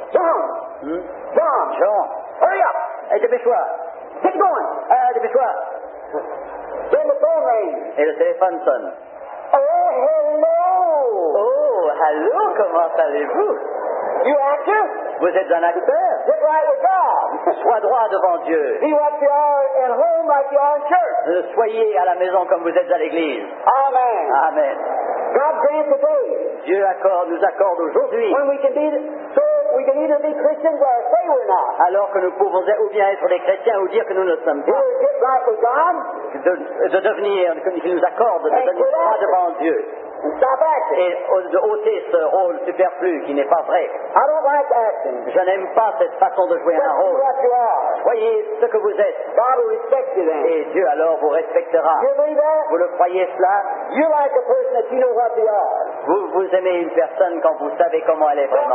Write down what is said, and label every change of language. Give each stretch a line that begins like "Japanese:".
English: John, hurry up.
French: Hey, dépêche-toi.
English: Get going.
French: Dépêche-toi.
English: Then the phone rings.
French: Et le téléphone sonne.
English: Oh, hello.
French: Oh, hello, comment allez-vous?
English: You actor?
French: Vous êtes un acteur.
English: Get right with God.
French: Sois droit devant Dieu.
English: Be what you are at home like you are in church.
French: Soyez à la maison comme vous êtes à l'église.
English: Amen.
French: Amen.
English: God grant the day.
French: Dieu nous accorde aujourd'hui.
English: When we can be so. We can either be Christians or say we're not.
French: Alors que nous pouvons ou bien être des chrétiens ou dire que nous ne sommes pas.
English: Either get right with God.
French: De devenir, qu'il nous accorde de devenir droit devant Dieu.
English: Stop acting.
French: Et de ôter ce rôle superflu qui n'est pas vrai.
English: I don't like acting.
French: Je n'aime pas cette façon de jouer un rôle.
English: What you are.
French: Soyez ce que vous êtes.
English: God will respect you then.
French: Et Dieu alors vous respectera.
English: You believe that?
French: Vous le croyez cela?
English: You like a person that you know what you are.
French: Vous aimez une personne quand vous savez comment elle est vraiment.